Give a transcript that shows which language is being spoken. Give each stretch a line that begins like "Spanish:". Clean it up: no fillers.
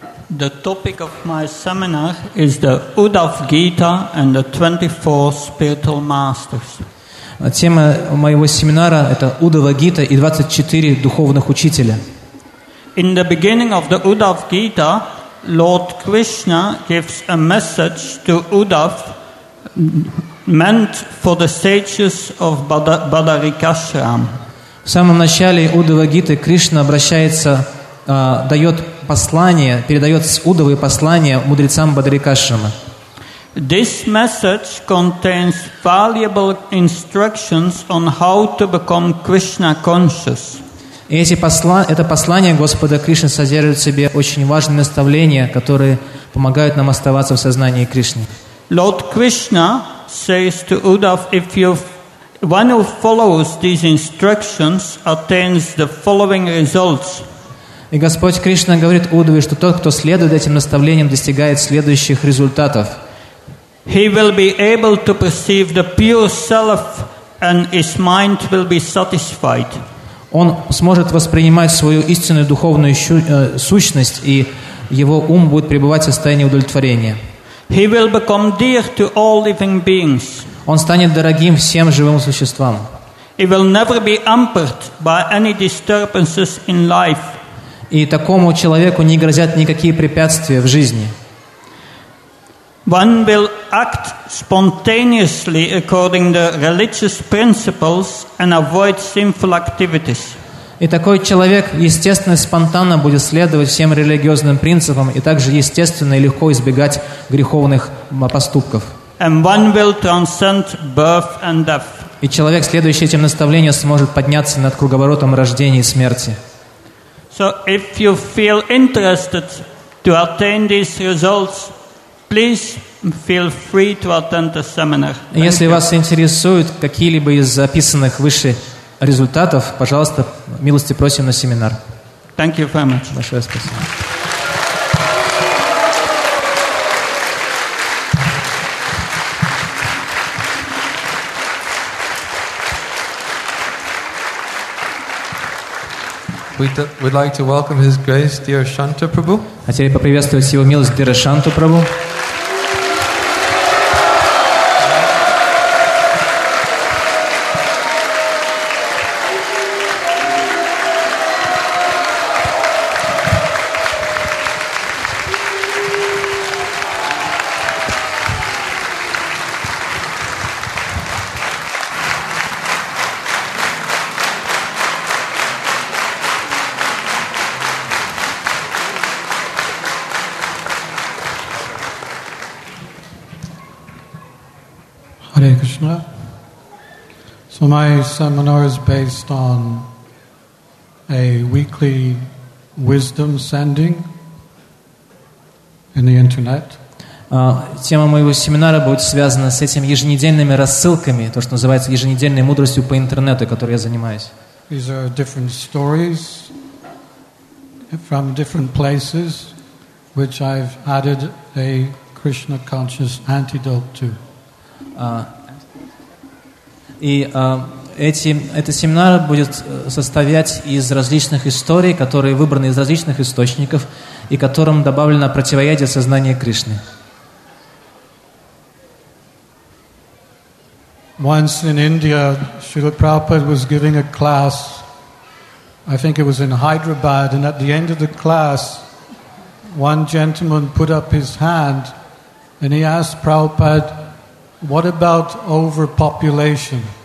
English: The topic of my seminar is the Uddhava Gita and the 24 spiritual masters.
Russian: Тема моего семинара – это Уддхава Гита и 24 духовных учителя.
English: In the beginning of the Uddhava Gita, Lord Krishna gives a message to Uddhava meant for the sages of Badarikashram.
Russian: В самом начале Уддхава Гиты Кришна обращается, дает послание, передает с Уддхавой послание мудрецам Бадарикашрама.
English: This message contains valuable instructions on how to become Krishna conscious.
Russian: Это послание Господа Кришны содержит в себе очень важные наставления, которые помогают нам оставаться в сознании Кришны.
English: Lord Krishna says to Uddhava, if you, one who follows these instructions attains the following results.
Russian: И Господь Кришна говорит Уддхаве, что тот, кто следует этим наставлениям, достигает следующих результатов.
English: He will be able to perceive the pure self, and his mind will be satisfied.
Russian: Он сможет воспринимать свою истинную духовную сущность, и его ум будет пребывать в состоянии удовлетворения.
English: He will become dear to all living beings.
Russian: Он станет дорогим всем живым существам.
English: He will never be hampered by any disturbances in life.
Russian: И такому человеку не грозят никакие препятствия в жизни.
English: One will act spontaneously according to religious principles and avoid sinful activities.
Russian: И такой человек естественно спонтанно будет следовать всем религиозным принципам и также естественно и легко избегать греховных поступков.
English: And one will transcend birth and death.
Russian: И человек, следующий этим наставлением, сможет подняться над круговоротом рождения и смерти.
English: So if you feel interested to attain these results, please feel free to attend the seminar. Thank
Russian: Если
English: you.
Russian: Вас интересуют какие-либо из записанных выше результатов, пожалуйста, милости просим на семинар.
English: Thank you very much.
Russian: Большое спасибо.
English: We'd like to welcome His Grace, dear Shanta Prabhu.
Russian: Хотели поприветствовать Его милость,
English: dear
Russian: Shanta Prabhu.
English: So my seminar is based on a weekly wisdom sending in the internet.
Russian: Тема моего семинара будет связана с этим еженедельными рассылками, то, что называется еженедельной мудростью по интернету, которой я занимаюсь.
English: These are different stories from different places, which I've added a Krishna conscious antidote to.
Russian: И этот семинар будет составлять из различных историй, которые выбраны из различных источников, и которым добавлено противоядие сознания Кришны.
English: Once in India, Srila Prabhupada was giving a class, I think it was in Hyderabad, and at the end of the class, one gentleman put up his hand, and he asked Prabhupada, what about overpopulation?